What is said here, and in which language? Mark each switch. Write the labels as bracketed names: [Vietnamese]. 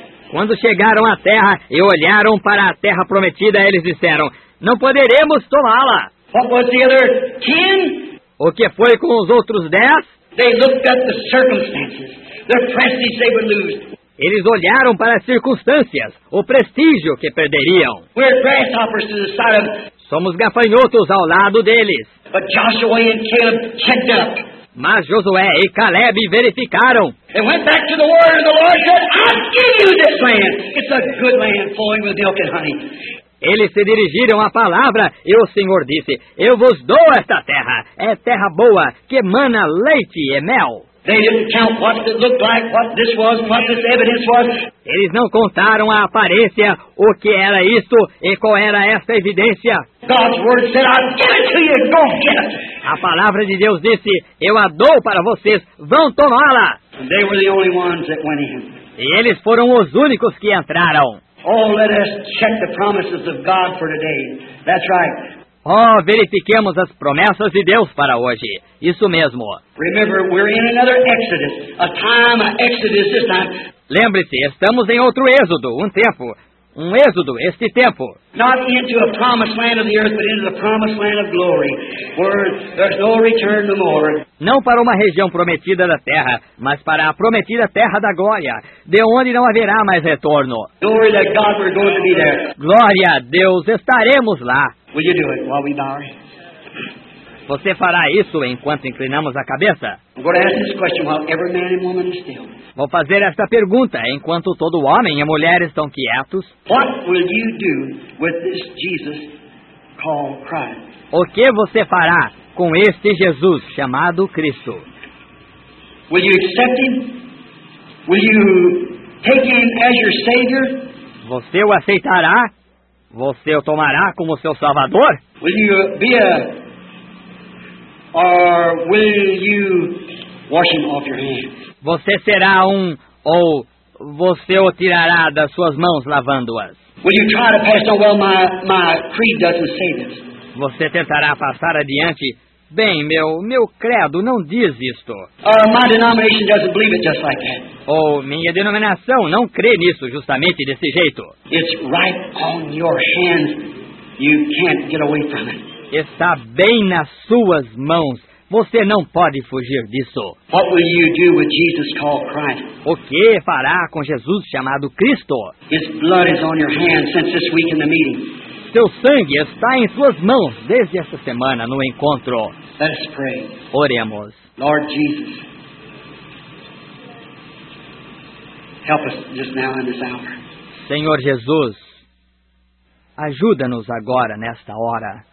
[Portuguese] Quando chegaram à terra e olharam para a terra prometida, eles disseram: não poderemos tomá-la. [English] What was the other 10? [Portuguese] O que foi com os outros 10? [English] They looked at the circumstances, the prestige they would lose. [Portuguese] Eles olharam para as circunstâncias, o prestígio que perderiam. [English] We're grasshoppers to the side of... [Portuguese] Somos gafanhotos ao lado deles. [English] But Joshua and Caleb checked up. [Portuguese] Mas Josué e Caleb verificaram. [English] They went back to the word and the Lord said, I'll give you this land. It's a good land flowing with milk and honey. [Portuguese] Eles se dirigiram à palavra e o Senhor disse, eu vos dou esta terra. É terra boa, que emana leite e mel. [English] They didn't count what it looked like, what this was, what this evidence was. [Portuguese] Eles não contaram a aparência, o que era isto e qual era esta evidência. [English] God's word said, I'll give it to you, go get it. [Portuguese] A palavra de Deus disse, eu a dou para vocês, vão tomá-la. [English] They were the only ones that went in. [Portuguese] E eles foram os únicos que entraram. [English] Oh, let us check the promises of God for today. That's right. [Portuguese] Oh, verifiquemos as promessas de Deus para hoje. Isso mesmo. [English] Remember, we're in another exodus. A time of exodus this time. [Portuguese] Lembre-se, estamos em outro êxodo, um tempo. Um êxodo, este tempo. [English] Not into a promised land of the earth, but into the promised land of glory, where there's no return no more. [Portuguese] Não para uma região prometida da terra, mas para a prometida terra da glória, de onde não haverá mais retorno. [English] Glory that God, we're going to be there. [Portuguese] Glória a Deus, estaremos lá. [English] Will you do it while we bow? [Portuguese] Você fará isso enquanto inclinamos a cabeça? [English] I'm going to ask this question while every man and woman is still. [Portuguese] Vou fazer esta pergunta enquanto todo homem e mulher estão quietos. [English] What will you do with this Jesus called Christ? [Portuguese] O que você fará com este Jesus chamado Cristo? [English] Will you accept him? Will you take him as your savior? [Portuguese] Você o aceitará? Você o tomará como seu salvador? [English] Will you be a or will you wash him off your hands? [Portuguese] Você será um, ou você o tirará das suas mãos lavando-as? [English] Will you try to pass on, well, my creed doesn't say this. [Portuguese] Você tentará passar adiante, bem, meu credo não diz isto. [English] My denomination doesn't believe it just like that. [Portuguese] Ou minha denominação não crê nisso justamente desse jeito. [English] It's right on your hands. You can't get away from it. [Portuguese] Está bem nas suas mãos. Você não pode fugir disso. [English] What will you do with Jesus called Christ? [Portuguese] O que fará com Jesus chamado Cristo? [English] His blood is on your hands since this week in the meeting. [Portuguese] Seu sangue está em suas mãos desde esta semana no encontro. [English] Let us pray. [Portuguese] Oremos. [English] Lord Jesus, help us just now in this hour. [Portuguese] Senhor Jesus, ajuda-nos agora, nesta hora.